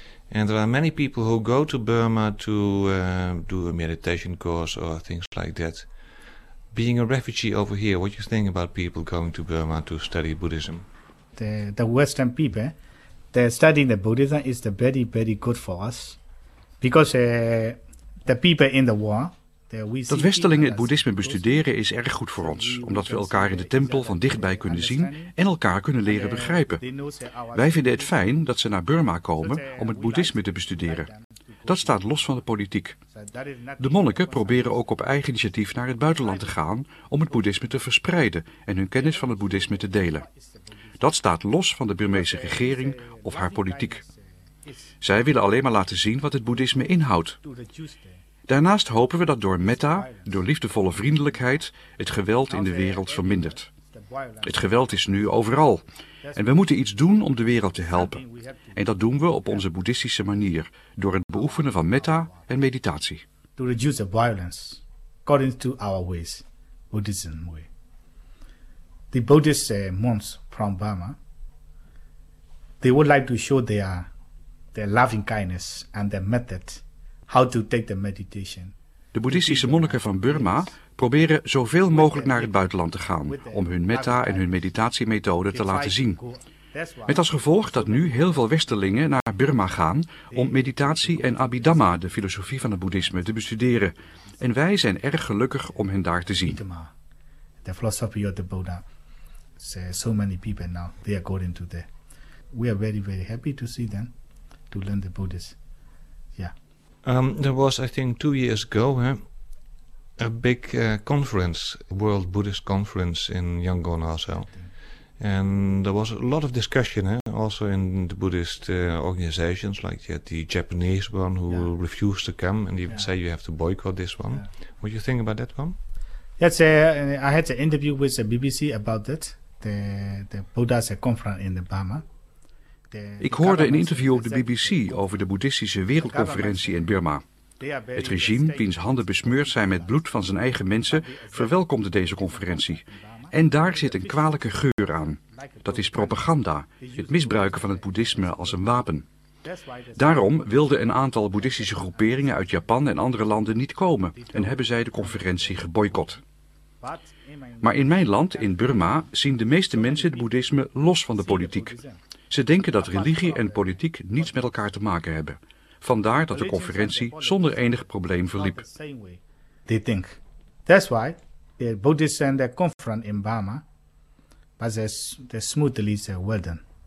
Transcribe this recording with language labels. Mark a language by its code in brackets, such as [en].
[en] And there are many people who go to Burma to do a meditation course or things like that. Being a refugee over here, what do you think about people going to Burma to study Buddhism? The Western people, they're studying the Buddhism is the very, very good for us. Because the people in the war, [nl] dat westerlingen het boeddhisme bestuderen is erg goed voor ons, omdat we elkaar in de tempel van dichtbij kunnen zien en elkaar kunnen leren begrijpen. Wij vinden het fijn dat ze naar Burma komen om het boeddhisme te bestuderen. Dat staat los van de politiek. De monniken proberen ook op eigen initiatief naar het buitenland te gaan om het boeddhisme te verspreiden en hun kennis van het boeddhisme te delen. Dat staat los van de Burmeese regering of haar politiek. Zij willen alleen maar laten zien wat het boeddhisme inhoudt. Daarnaast hopen we dat door metta, door liefdevolle vriendelijkheid, het geweld in de wereld vermindert. Het geweld is nu overal. En we moeten iets doen om de wereld te helpen. En dat doen we op onze boeddhistische manier, door het beoefenen van metta en meditatie. [en] To reduce the violence, according to our ways, Buddhism way. The Buddhist monks from Burma, they would like to show their loving kindness and their method. How to take the meditation. [nl] De boeddhistische monniken van Burma proberen zoveel mogelijk naar het buitenland te gaan om hun metta en hun meditatiemethode te laten zien. Met als gevolg dat nu heel veel westerlingen naar Burma gaan om meditatie en Abhidhamma, de filosofie van het boeddhisme, te bestuderen. En wij zijn erg gelukkig om hen daar te zien. [en] The philosophy of the Buddha. So many people now they are going to there. We are very, very happy to see them, to learn the Buddhist. Yeah. There was, I think, 2 years ago, a big conference, World Buddhist Conference in Yangon also. And there was a lot of discussion also in the Buddhist organizations, like the Japanese one who refused to come and even say you have to boycott this one. Yeah. What do you think about that one? Yes, I had an interview with the BBC about that, the Buddha's conference in Burma. [nl] Ik hoorde een interview op de BBC over de boeddhistische wereldconferentie in Burma. Het regime, wiens handen besmeurd zijn met bloed van zijn eigen mensen, verwelkomde deze conferentie. En daar zit een kwalijke geur aan. Dat is propaganda, het misbruiken van het boeddhisme als een wapen. Daarom wilden een aantal boeddhistische groeperingen uit Japan en andere landen niet komen en hebben zij de conferentie geboycott. Maar in mijn land, in Burma, zien de meeste mensen het boeddhisme los van de politiek. Ze denken dat religie en politiek niets met elkaar te maken hebben. Vandaar dat de conferentie zonder enig probleem verliep. [en] They think. That's why the Buddhists and the conference in Burma was the smoothly well done.